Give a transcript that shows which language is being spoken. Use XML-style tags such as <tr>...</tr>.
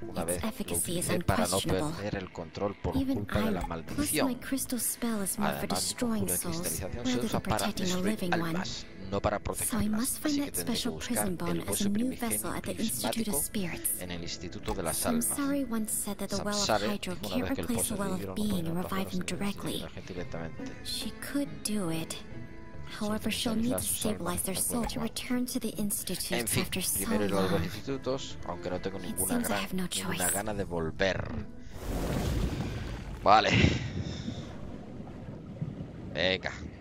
<es>Una vez lo utilicé para no perder el control por culpa de la maldición. Además, la cristalización se usa para destruir almas, no para protegerlas. Así que tendré que buscar el hueso primigenio prismático en el Instituto de las Almas.</es> <en>Samsari once said that the well of hydro can't replace the well of being and revive him directly. She could do it. However, she'll need to stabilize their soul to return to the institute after so long.</en> <es>Primero los dos institutos, aunque no tengo ninguna gana de volver. Vale. Venga.</es>